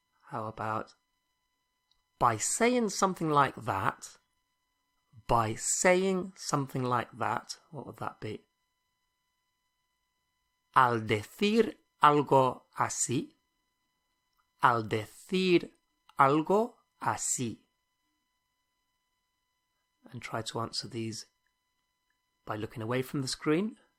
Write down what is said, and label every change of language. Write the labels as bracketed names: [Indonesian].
[English] How about by saying something like that, by saying something like that, what would that be? [Spanish] Al decir algo así, al decir algo así. [English] And try to answer these by looking away from the screen.